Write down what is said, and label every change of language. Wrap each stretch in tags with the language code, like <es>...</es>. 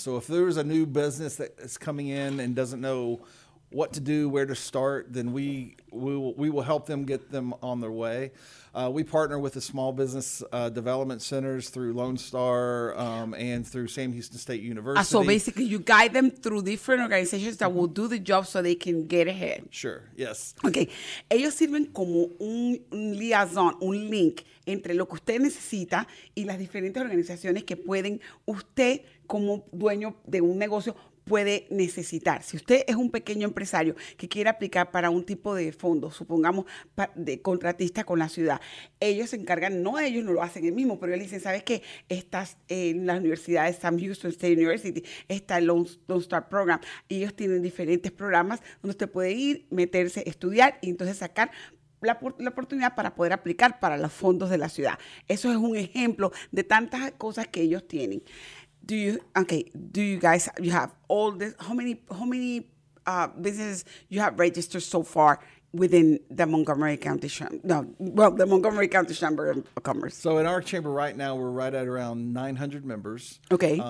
<en>So if there's a new business that is coming in and doesn't know what to do, where to start, then we will help them get them on their way. We partner with the small business development centers through Lone Star and through Sam Houston State University. So basically you guide them through different organizations that will do the job so they can get ahead. Sure, yes.</en> <es>Okay, ellos sirven como un liaison, un link entre lo que usted necesita y las diferentes organizaciones que pueden usted como dueño de un negocio puede necesitar. Si usted es un pequeño empresario que quiere aplicar para un tipo de fondo, supongamos de contratista con la ciudad, ellos se encargan, no ellos no lo hacen el mismo, pero ellos dicen, ¿sabes qué? Estás en la Universidad de Sam Houston State University, está el Lone Star Program, y ellos tienen diferentes programas donde usted puede ir, meterse, estudiar y entonces sacar la oportunidad para poder aplicar para los fondos de la ciudad. Eso es un ejemplo de tantas cosas que ellos tienen.</es> <en>Do you guys have all this, how many businesses you have registered so far within the Montgomery County the Montgomery County Chamber of Commerce. So in our chamber right now, we're right at around 900 members. Okay.</en>